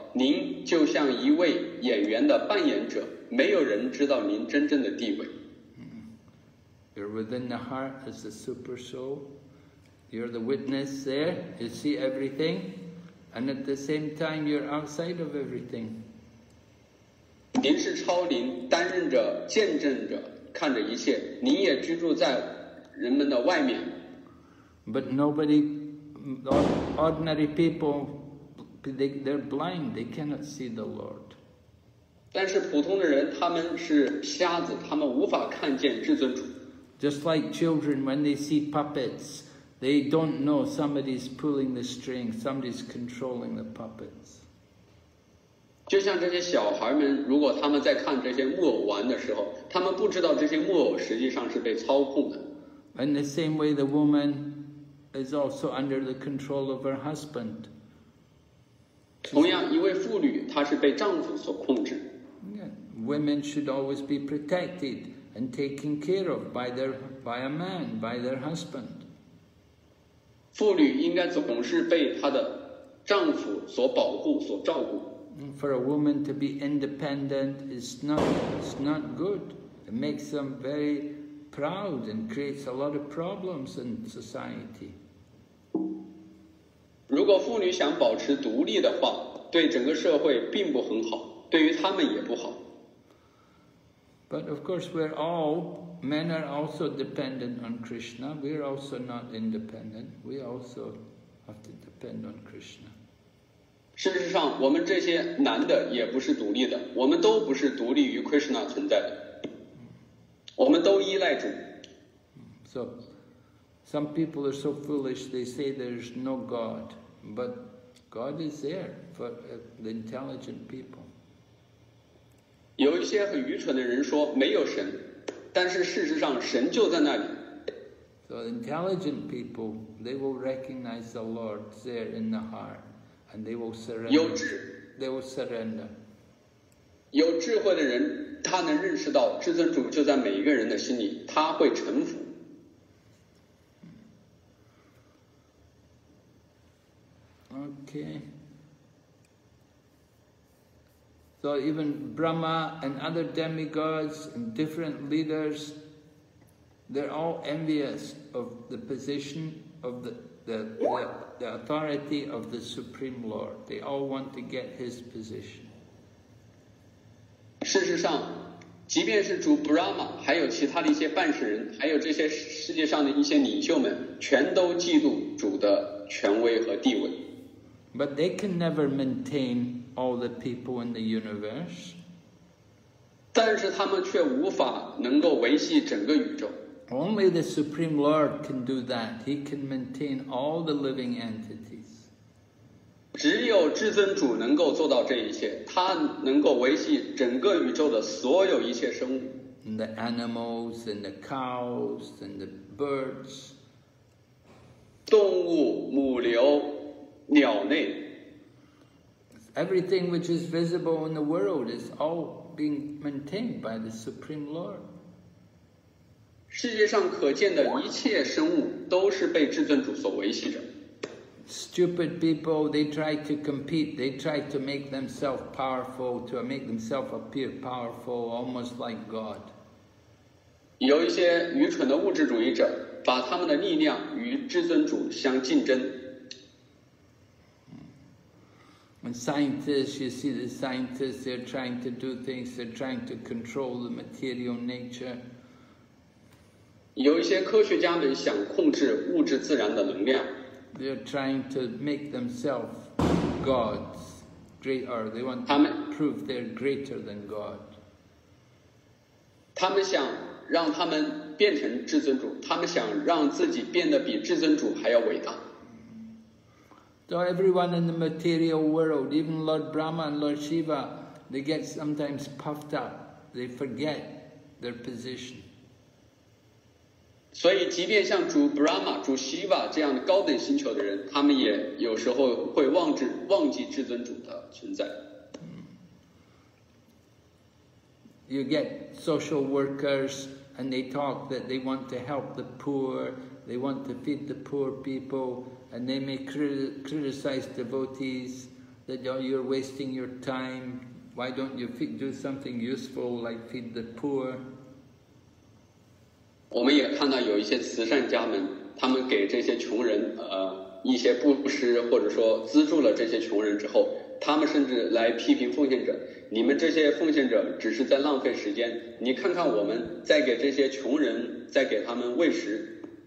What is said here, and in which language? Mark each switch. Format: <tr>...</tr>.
<zh>您就像一位演员的扮演者，没有人知道您真正的地位。</zh> <en>You're within the heart as the super soul. You're the witness there. You see everything. And at the same time, you're outside of everything.</en> <zh>您是超灵，担任着见证者，看着一切。您也居住在人们的外面。</zh> <en>But nobody, ordinary people, they're blind. They cannot see the Lord.</en> <zh>但是普通的人，他们是瞎子，他们无法看见至尊主。</zh> <en>Just like children, when they see puppets, they don't know somebody's pulling the string, somebody's controlling the puppets.</en> <zh>就像这些小孩们，如果他们在看这些木偶玩的时候，他们不知道这些木偶实际上是被操控的。</zh> <en>In the same way, the woman is also under the control of her husband.</en> <zh>同样，一位妇女，她是被丈夫所控制。</zh> <en>Women should always be protected and taken care of by a man, by their husband.</en> <zh>妇女应该总是被她的丈夫所保护、所照顾。</zh> <en>For a woman to be independent is not good. It makes them very proud and creates a lot of problems in society.</en> <zh>如果妇女想保持独立的话，对整个社会并不很好，对于她们也不好。</zh> <en>But of course, we're all, men are also dependent on Krishna. We're also not independent. We also have to depend on Krishna.</en> <zh>事实上，我们这些男的也不是独立的，我们都不是独立于 Krishna 存在的，我们都依赖主。</zh> <en>So, some people are so foolish, they say there's no God, but God is there for the intelligent people.</en> <zh>有一些很愚蠢的人说没有神，但是事实上神就在那里。</zh> <en>So intelligent people, they will recognize the Lord there in the heart, and they will surrender.</en> <zh>有智，</zh> <en>they will surrender.</en> <zh>有智慧的人，他能认识到至尊主就在每一个人的心里，他会臣服。</zh> <en>Okay. So even Brahma and other demigods and different leaders, they're all envious of the position of the authority of the Supreme Lord. They all want to get his position.</en> <zh>事实上，即便是主 Brahma， 还有其他的一些办事人，还有这些世界上的一些领袖们，全都嫉妒主的权威和地位。</zh> <en>But they can never maintain all the people in the universe.</en> <zh>但是他们却无法能够维系整个宇宙。</zh> <en>Only the Supreme Lord can do that. He can maintain all the living entities.</en> <zh>只有至尊主能够做到这一切，他能够维系整个宇宙的所有一切生物。</zh> <en>And the animals and the cows and the birds.</en> <zh>动物、母牛、鸟类。</zh> <en>Everything which is visible in the world is all being maintained by the Supreme Lord.</en> <zh>世界上可见的一切生物都是被至尊主所维系着。</zh> <en>Stupid people, they try to compete. They try to make themselves powerful, to make themselves appear powerful, almost like God.</en> <zh>有一些愚蠢的物质主义者把他们的力量与至尊主相竞争。</zh> <en>And scientists, you see the scientists, they're trying to do things, they're trying to control the material nature.</en> <zh>有一些科学家们想控制物质自然的能量。</zh> <en>They're trying to make themselves gods, greater. They want to prove they're greater than God.</en> <zh>他们想让他们变成至尊主，他们想让自己变得比至尊主还要伟大。</zh> <en>So everyone in the material world, even Lord Brahma and Lord Shiva, they get sometimes puffed up. They forget their position.</en> <zh>所以，即便像主 Brahma、主 Shiva 这样的高等星球的人，他们也有时候会忘记至尊主的存在。</zh> <en>You get social workers, and they talk that they want to help the poor, they want to feed the poor people. And they may criticize devotees. that oh, you're wasting your time. Why don't you do something useful like feed the poor?</en> <zh>我们也看到有一些慈善家们，他们给这些穷人一些布施，或者说资助了这些穷人之后，他们甚至来批评奉献者，你们这些奉献者只是在浪费时间，你看看我们在给这些穷人在给他们喂食。</zh>